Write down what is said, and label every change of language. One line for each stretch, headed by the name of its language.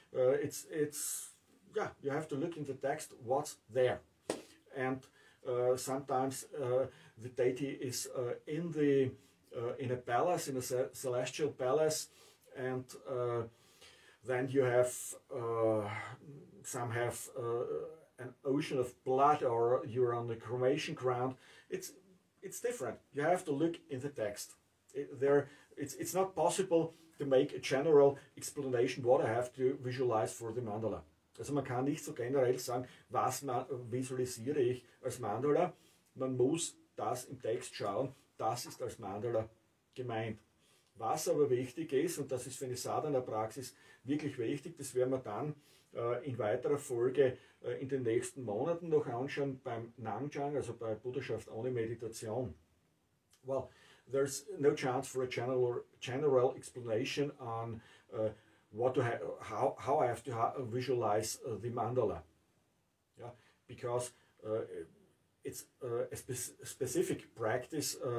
English: Yeah, you have to look in the text what's there, and sometimes the deity is in a celestial palace, and then you have an ocean of blood, or you're on the cremation ground. It's different. You have to look in the text. It's not possible to make a general explanation what I have to visualize for the mandala.
German: Also man kann nicht so generell sagen, was visualisiere ich als Mandala. Man muss das im Text schauen, das ist als Mandala gemeint. Was aber wichtig ist, und das ist für eine Sadhana-Praxis wirklich wichtig, das werden wir dann in weiterer Folge in den nächsten Monaten noch anschauen, beim Namjang, also bei Buddhaschaft ohne Meditation.
English: Well, there's no chance for a general explanation on how I have to visualize the mandala, yeah, because it's a specific practice.